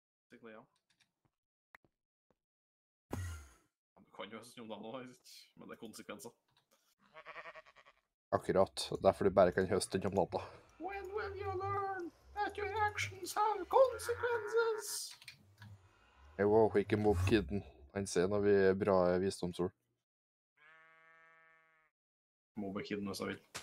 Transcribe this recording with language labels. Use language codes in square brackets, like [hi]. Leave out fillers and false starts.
[no] Sikkert ja. Du kan jo høste om natta nå, men det er konsekvenser. Akkurat, derfor du bare kan høste om natta. [en] When will you learn that your actions have consequences? [no] Jeg må ikke mobbe kidden. Han ser når vi er bra visdomsord. Mobbe kidden hvis jeg vil.